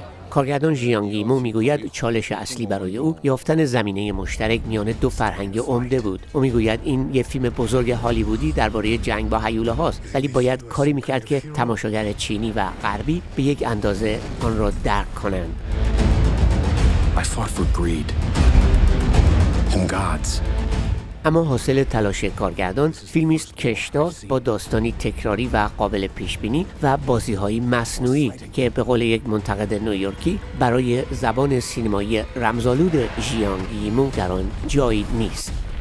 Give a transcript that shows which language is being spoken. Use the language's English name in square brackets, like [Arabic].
[Persian] کارگردان ژیانگ ییمو میگوید چالش اصلی برای او یافتن زمینه مشترک میان دو فرهنگ عمده بود. او میگوید این یه فیلم بزرگ هالیوودی درباره جنگ با هیولا هاست، ولی باید کاری میکرد که تماشاگر چینی و غربی به یک اندازه آن را درک کنند. [English] I fought for greed and gods. [Persian] اما حاصل تلاش کارگردان فیلمی است کشدار، با داستانی تکراری و قابل پیشبینی و بازیهایی مصنوعی که به قول یک منتقد نیویورکی برای زبان سینمایی رمزآلود ژیانگ ییمو در آن جایی نیست.